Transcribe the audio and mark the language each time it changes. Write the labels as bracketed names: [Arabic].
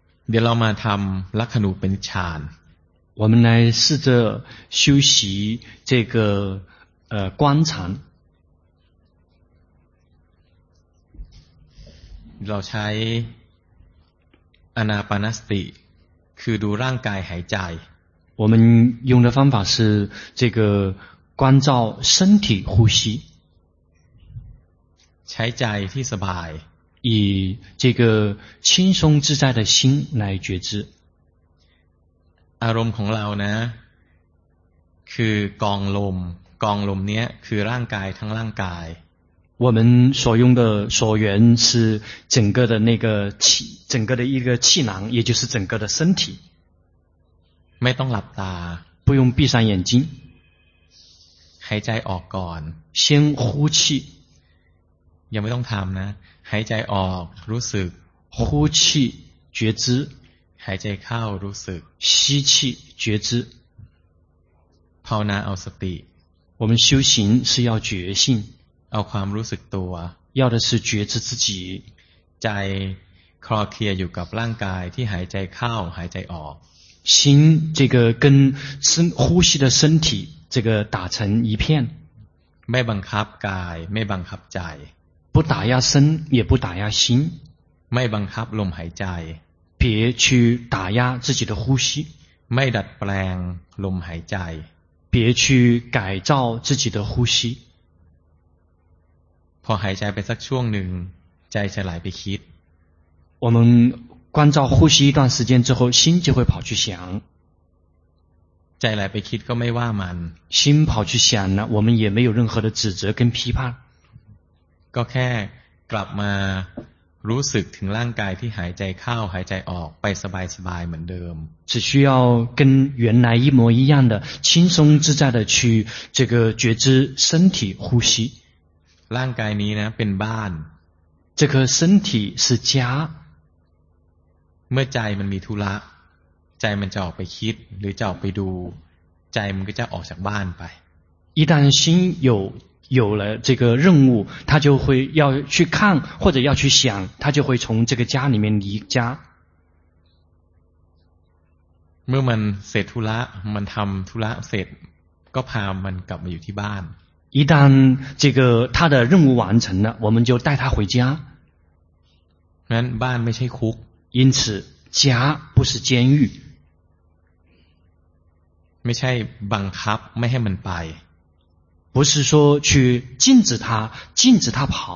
[Thai] เดี๋ยวเรามาทำลักขณูปนิชฌาน [Chinese] 我们来试着修习这个观禅 [Thai] เราใช้อนาปานสติคือดูร่างกายหายใจ [Chinese] 我们用的方法是这个观照身体呼吸 [Thai] ใช้ใจที่สบาย [Chinese] 以这个轻松自在的心来觉知 [Thai] อารมณ์ของเรานะคือกองลมกองลมเนี้ยคือร่างกายทั้งร่างกาย [Chinese] 我们所用的所缘是整个的那个气整个的一个气囊也就是整个的身体 [Thai] ไม่ต้องหลับตา [Chinese] 不用闭上眼睛 [Thai] หายใจออกก่อน [Chinese] 先呼气 [Thai] ยังไม่ต้องทำนะหายใจออกรู้สึก [Chinese] 呼气觉知 [Thai] หายใจเข้ารู้สึก [Chinese] 吸气觉知 [Thai] ภาวนาเอาสติ [Chinese] 我们修行是要觉性 [Thai] เอาความรู้สึกตัว [Chinese] 要的是觉知自己 [Thai] ใจคลอเคลียอยู่กับร่างกายที่หายใจเข้าหายใจออก [Chinese] 心这个跟身呼吸的身体这个打成一片 [Thai] ไม่บังคับกายไม่บังคับใจ [Chinese] 不打压身也不打压心 [Thai] ไม่บังคับลมหายใจ [Chinese] 别去打压自己的呼吸 [Thai] ไม่ดัดแปลงลมหายใจ [Chinese] 别去改造自己的呼吸 [Thai] พอหายใจไปสักช่วงหนึ่งใจจะไหลไปคิด [Chinese] 我们关照呼吸一段时间之后心就会跑去想 [Thai] ใจไหลไปคิดก็ไม่ว่ามัน [Chinese] 心跑去想了我们也没有任何的指责跟批判 [Thai] ก็แค่กลับมารู้สึกถึงร่างกายที่หายใจเข้าหายใจออกไปสบายสบายเหมือนเดิม [Chinese] 只需要跟原来一模一样的轻松自在的去这个觉知身体呼吸 [Thai] ร่างกายนี้นะเป็นบ้าน [Chinese] 这颗身体是家 [Thai] เมื่อใจมันมีธุระใจมันจะออกไปคิดหรือจะออกไปดูใจมันก็จะออกจากบ้านไป [Chinese] 一旦心有了这个任务他就会要去看或者要去想他就会从这个家里面离家 [Thai] เมื่อมันเสร็จธุระมันทำธุระเสร็จก็พามันกลับมาอยู่ที่บ้าน [Chinese] 一旦这个他的任务完成了我们就带他回家 [Thai] งั้นบ้านไม่ใช่คุก [Chinese] 因此家不是监狱 [Thai] ไม่ใช่บังคับไม่ให้มันไป [Chinese] 不是说去禁止他跑